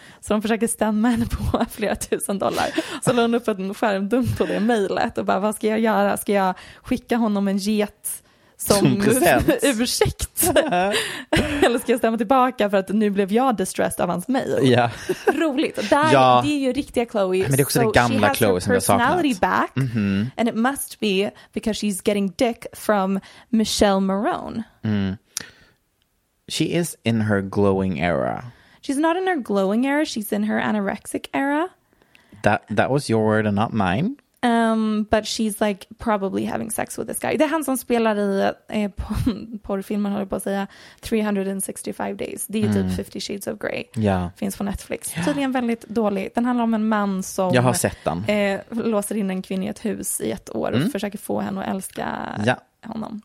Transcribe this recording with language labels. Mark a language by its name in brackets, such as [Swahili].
[Swedish] Så de försöker stämma henne på flera tusen dollar. Så lade hon upp en skärmdump på det mejlet och bara, vad ska jag göra? Ska jag skicka honom en get som ursäkt? Eller ska jag stämma tillbaka för att nu blev jag distressed av hans mail? [English] Yeah. [Swedish] Roligt. Där, det är ju riktiga Chloe. Men det är också den gamla Chloe som jag saknat. [English] Personality back. And it must be because she's getting dick from Michelle Marone. She is in her glowing era. She's not in her glowing era. She's in her anorexic era. That was your word and not mine. But she's like probably having sex with this guy. [Swedish] Det är han som spelar i porrfilmen, håller på att säga, 365 days. Det är typ 50 Shades of Grey. [English] Yeah. [Swedish] Finns på Netflix. Yeah. Tydligen väldigt dålig. Den handlar om en man som jag har sett den. Låser in en kvinna i ett hus i ett år och försöker få henne att älska honom.